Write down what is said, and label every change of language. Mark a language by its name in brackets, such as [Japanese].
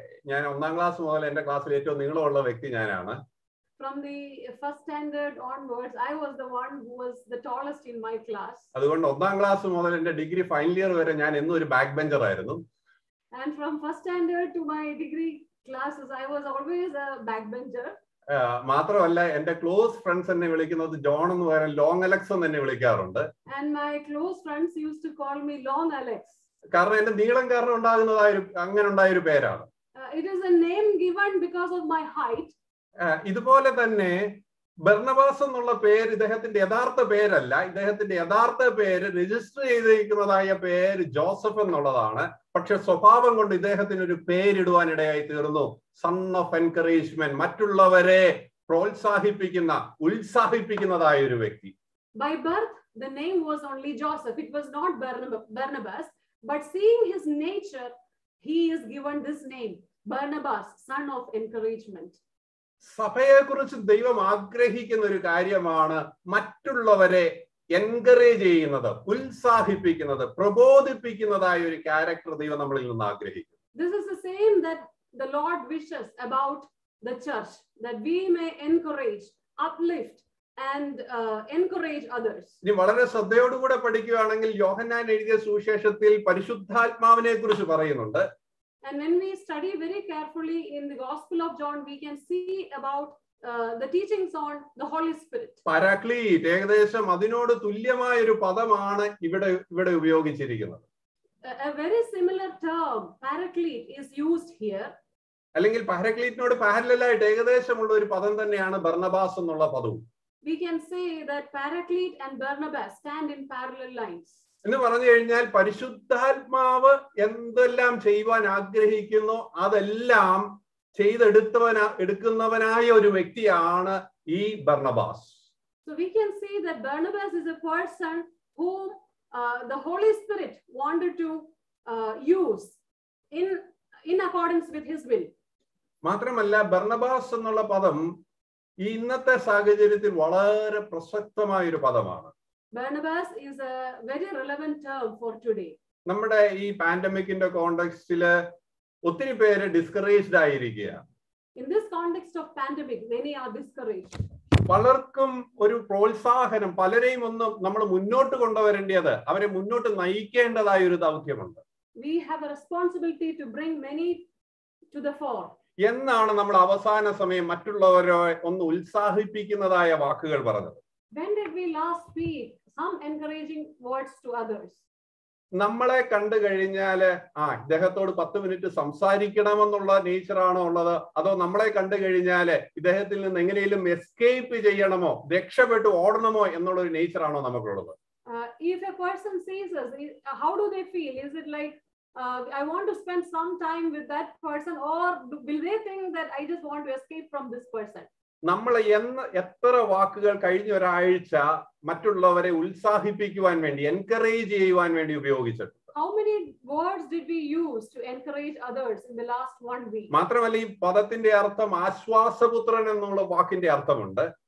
[Malayalam] ഞാൻ ഒന്നാം ക്ലാസ് മുതൽ എന്റെ ക്ലാസ്സിൽ ഏറ്റവും നീളമുള്ള വ്യക്തി ഞാനാണ്. [English] From the first standard onwards I was the one who was the tallest in my class. [Malayalam] അതുകൊണ്ട് ഒന്നാം ക്ലാസ് മുതൽ എന്റെ ഡിഗ്രി ഫൈനൽ ഇയർ വരെ ഞാൻ എന്നും ഒരു ബാക്ക് ബെഞ്ചർ ആയിരുന്നു. [English] And from first standard to my degree classes. I was always a backbencher. [Malayalam] മാത്രമല്ല എന്റെ ക്ലോസ് ഫ്രണ്ട്സ് എന്നെ വിളിക്കുന്നത് ജോൺ എന്ന് പറയാൻ ലോങ് അലക്സ് എന്ന് എന്നെ വിളിക്കാറുണ്ട്. [English] And my close friends used to call me Long Alex. [Malayalam] കാരണം എന്റെ നീളം കാരണം ഉണ്ടാകുന്നതായൊരു അങ്ങനെ ഉണ്ടായൊരു പേരാണ്. [English] It is a name given because of my height. [Malayalam] ഇതുപോലെ തന്നെ ബർണബാസ് എന്നുള്ള പേര് ഇദ്ദേഹത്തിന്റെ യഥാർത്ഥ പേരല്ല. ഇദ്ദേഹത്തിന്റെ യഥാർത്ഥ പേര് രജിസ്റ്റർ ചെയ്തിരിക്കുന്നതായ പേര് ജോസഫ് എന്നുള്ളതാണ്. പക്ഷെ സ്വഭാവം കൊണ്ട് ഇദ്ദേഹത്തിന് ഒരു പേരിടുവാൻ ഇടയായി തീർന്നു. [English] son of encouragement, [Malayalam] മറ്റുള്ളവരെ പ്രോത്സാഹിപ്പിക്കുന്ന ഉത്സാഹിപ്പിക്കുന്നതായ ഒരു വ്യക്തി. [English] By birth the name was only Joseph, it was not Barnabas, but seeing his nature he is given this name Barnabas, son of encouragement. [Malayalam] സഭയെ കുറിച്ച് ദൈവം ആഗ്രഹിക്കുന്ന ഒരു കാര്യമാണ് മറ്റുള്ളവരെ എൻകറേജ് ചെയ്യുന്നത്, ഉത്സാഹിപ്പിക്കുന്നത്, പ്രബോധിപ്പിക്കുന്നതായ ഒരു ക്യാരക്ടർ ദൈവം നമ്മളിൽ നിന്ന് ആഗ്രഹിക്കുന്നു. [English] This is the same that the Lord wishes about the church, that we may encourage, uplift and encourage others. [Malayalam] ഇനി വളരെ ശ്രദ്ധയോടുകൂടെ പഠിക്കുകയാണെങ്കിൽ യോഹന്നാൻ എഴുതിയ സുവിശേഷത്തിൽ പരിശുദ്ധാത്മാവിനെ കുറിച്ച് പറയുന്നുണ്ട്. [English] And when we study very carefully in the Gospel of John, we can see about the teachings on the Holy Spirit. [Malayalam] Paraclete, ഏകദേശം അതിനോട് തുല്യമായ ഒരു പദമാണ് ഇവിടെ ഉപയോഗിച്ചിരിക്കുന്നത്. [English] A very similar term, paraclete, is used here. [Malayalam] അല്ലെങ്കിൽ പാരക്ലീറ്റിനോട് പാരലൽ ആയിട്ട് ഏകദേശമുള്ള ഒരു പദം തന്നെയാണ് ബർണബാസ് എന്നുള്ള പദവും. [English] We can say that paraclete and Barnabas stand in parallel lines. [Malayalam] എന്ന് പറഞ്ഞു കഴിഞ്ഞാൽ പരിശുദ്ധാത്മാവ് എന്തെല്ലാം ചെയ്യുവാൻ ആഗ്രഹിക്കുന്നു അതെല്ലാം ചെയ്തെടുക്കുന്നവനായ ഒരു വ്യക്തിയാണ് ഈ Barnabas. [English] So we can see that Barnabas is a person whom the Holy Spirit wanted to use in accordance with his will. [Malayalam] മാത്രമല്ല ബർണബാസ് എന്നുള്ള പദം ഈ ഇന്നത്തെ സാഹചര്യത്തിൽ വളരെ പ്രസക്തമായ ഒരു പദമാണ്. [English] Barnabas is a very relevant term for today. [Malayalam] നമ്മുടെ ഈ പാൻഡമിക്കിന്റെ കോണ്ടെക്സ്റ്റില് ഒത്തിരി പേര് ഡിസ്കറേജ്ഡ് ആയിരിക്കുകയാണ്. [English] In this context of pandemic, many are discouraged. [Malayalam] പലർക്കും ഒരു പ്രോത്സാഹനം, പലരെയും ഒന്ന് നമ്മൾ മുന്നോട്ട് കൊണ്ടുവരേണ്ടത്, അവരെ മുന്നോട്ട് നയിക്കേണ്ടതായ ഒരു ദൗത്യമുണ്ട്. [English] We have a responsibility to bring many to the fore. [Malayalam] എന്നാണ് നമ്മൾ അവസാന സമയം മറ്റുള്ളവരെ ഒന്ന് ഉത്സാഹിപ്പിക്കുന്നതായ വാക്കുകൾ പറഞ്ഞത്? [English] When did we last speak some encouraging words to others? [Malayalam] നമ്മളെ കണ്ടു കഴിഞ്ഞാലേ ഇദ്ദേഹത്തോട് 10 മിനിറ്റ് സംസാരിക്കണമെന്നുള്ള നേച്ചർ ആണോ ഉള്ളത്, അതോ നമ്മളെ കണ്ടു കഴിഞ്ഞാലേ ഇദ്ദേഹത്തിൽ നിന്ന് എങ്ങനെയെങ്കിലും എസ്കേപ്പ് ചെയ്യണമോ, രക്ഷപ്പെട്ട് ഓടണമോ എന്നുള്ള ഒരു നേച്ചർ ആണോ നമുക്കുള്ളത്? [English] If a person sees us, how do they feel? Is it like I want to spend some time with that person, or will they think that I just want to escape from this person? [Malayalam] നമ്മൾ എത്ര വാക്കുകൾ കഴിഞ്ഞ ഒരാഴ്ച മറ്റുള്ളവരെ ഉത്സാഹിപ്പിക്കുവാൻ വേണ്ടി, encourage ചെയ്യുവാൻ വേണ്ടി ഉപയോഗിച്ചിട്ടുണ്ട്? [English] How many words did we use to encourage others in the last one week? [Malayalam] മാത്രമല്ല ഈ പദത്തിന്റെ അർത്ഥം ആശ്വാസപുത്രൻ എന്നുള്ള വാക്കിന്റെ അർത്ഥമുണ്ട്.